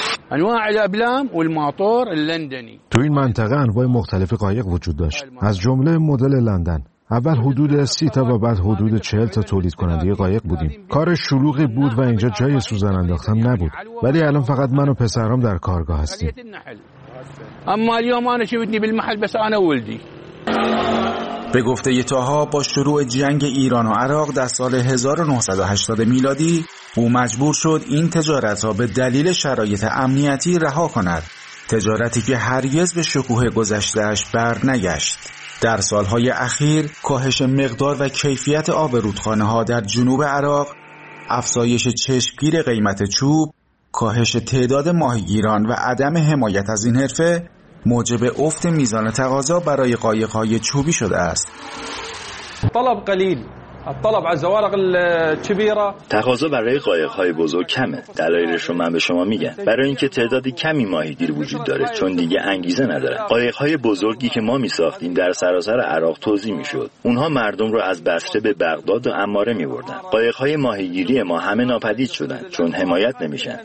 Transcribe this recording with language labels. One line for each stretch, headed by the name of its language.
Arabic: انواع الابلام والماطور اللندني.
Persian: تو این منطقه انواع مختلف قایق وجود داشت، از جمله مدل لندن. اول حدود 30 تا و بعد حدود 40 تا تولید کننده قایق بودیم. کار شلوغی بود و اینجا جای سوزن انداختن نبود. ولی الان فقط من و پسرام در کارگاه هستیم.
Arabic: اما اليوم انا شفتني بالمحل بس انا ولدي.
Persian: به گفته تاها با شروع جنگ ایران و عراق در سال 1980 میلادی او مجبور شد این تجارت را به دلیل شرایط امنیتی رها کند، تجارتی که هرگز به شکوه گذشتهش بر نگشت. در سالهای اخیر کاهش مقدار و کیفیت آب رودخانه ها در جنوب عراق، افزایش چشمگیر قیمت چوب، کاهش تعداد ماهیگیران و عدم حمایت از این حرفه موجب افت میزان تقاضا برای قایق‌های چوبی شده است.
Arabic: طلب قلیل، الطلب على الزوارق الكبيره.
Persian: تقاضا برای قایق‌های بزرگ کمه. دلایلش رو من به شما میگم. برای اینکه تعداد کمی ماهیگیر وجود داره، چون دیگه انگیزه ندارن. قایق‌های بزرگی که ما میساختیم در سراسر عراق توزیع میشد. اونها مردم رو از بصره به بغداد و اماره میبردن. قایق‌های ماهیگیری ما همه ناپدید شدن، چون حمایت نمیشن.